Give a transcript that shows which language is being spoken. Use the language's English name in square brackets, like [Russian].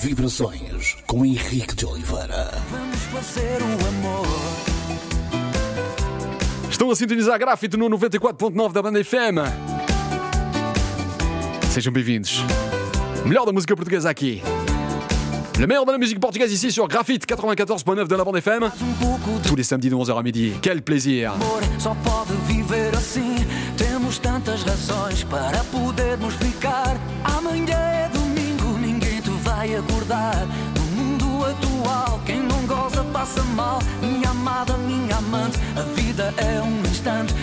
[Portuguese] Vibrações com Henrique de Oliveira. Vamos fazer o amor. Estão a sintonizar Grafite no 94.9 da Banda FM. Sejam bem-vindos. Melhor da música portuguesa aqui. [French] Le meilleur de la musique portugaise ici sur Graphite 94.9 de la bande FM. Tous les samedis de 11h à midi. Quel plaisir. [Portuguese] Amor, só pode viver assim. Temos tantas razões para podermos ficar. Amanhã é domingo, ninguém te vai acordar. No mundo atual, quem não goza passa mal. Minha amada, minha amante, a vida é um instante.